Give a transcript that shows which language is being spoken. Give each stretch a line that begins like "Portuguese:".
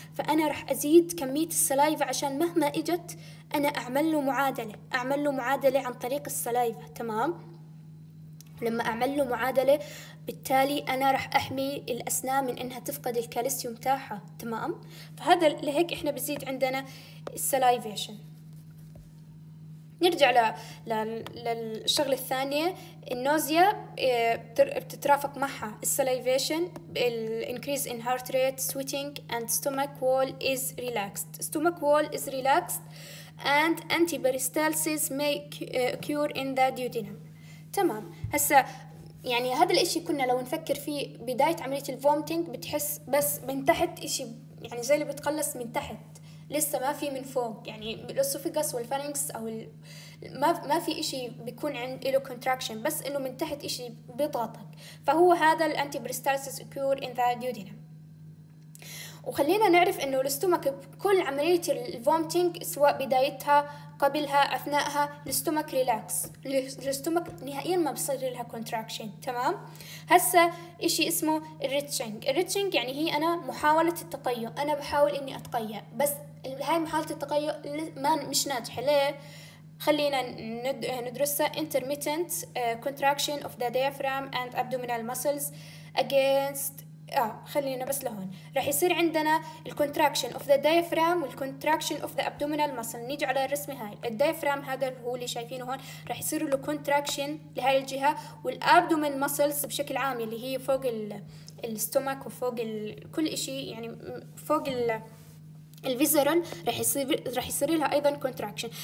Arabic: فانا راح ازيد كميه السلايفا عشان مهما اجت انا اعمل له معادله، اعمل له معادله عن طريق السلايفا، تمام. لما اعمل له معادله بالتالي انا راح احمي الاسنان من انها تفقد الكالسيوم تاعها، تمام. فهذا لهيك احنا بزيد عندنا السلايفيشن. نرجع للشغلة الثانية، النوزيا بتترافق معها السلايفيشن
English: increase in heart rate sweating and stomach wall is relaxed. stomach wall is relaxed and antiperistalsis may occur in the duodenum.
Arabic: تمام. هسا يعني هذا الاشي كنا لو نفكر فيه بداية عملية الفومتينج بتحس بس من تحت اشي يعني زي اللي بتقلص من تحت لسه ما في من فوق، يعني الاسوفيجس والفارينكس او ما في اشي بيكون عند له كونتراكشن، بس انه من تحت اشي بيضغطك، فهو هذا
English: الانتي peristalsis occur in the duodenum.
Arabic: وخلينا نعرف انه الاستومك بكل عمليه الفومتينج سواء بدايتها قبلها اثناءها الاستومك ريلاكس، الاستومك نهائيا ما بصير لها كونتراكشن. تمام. هسه اشي اسمه الريتشنج. الريتشنج يعني هي انا محاوله التقيؤ، انا بحاول اني اتقيأ، بس هاي محاوله التقيؤ ما مش ناجحه. ليه؟ خلينا ندرسها.
English: intermittent contraction of the diaphragm and abdominal muscles against
Arabic: خلينا بس لهون رح يصير عندنا
English: contraction of the diaphragm والcontraction of the abdominal muscle.
Arabic: نيجي على الرسمة هاي، الديافرام هذا هو اللي شايفينه هون، رح يصير له contraction لهاي الجهة، والabdominal muscles بشكل عام اللي هي فوق الستومك وفوق كل إشي يعني فوق الفيزرال رح يصير لها ايضا كونتراكشن.